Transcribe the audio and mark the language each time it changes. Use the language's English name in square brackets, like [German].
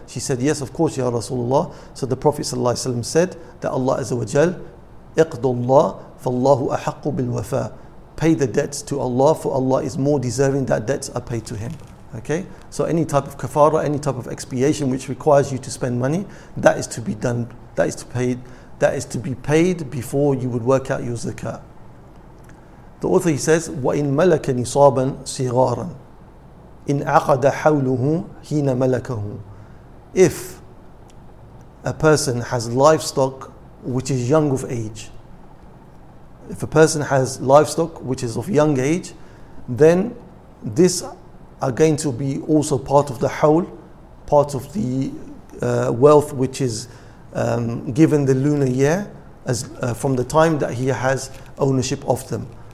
[English] She said, yes, of course, Ya Rasulullah. So the Prophet sallallahu alayhi wa sallam said that Allah azza wa jal, [Arabic] اقضوا الله فالله أحق بالوفاء. [English] Pay the debts to Allah, for Allah is more deserving that debts are paid to Him. Okay? So any type of kafara, any type of expiation which requires you to spend money, that is to be done, that is to be paid before you would work out your zakah. The author, he says, [Arabic] وَإِن مَلَكَ نِصَابًا صِغَارًا إِنْ عَقَدَ حَوْلُهُ هِنَ مَلَكَهُ. [English] If a person has livestock which is young of age, if a person has livestock which is of young age, then this are going to be also part of the hawl, part of the wealth which is given the lunar year as from the time that he has ownership of them.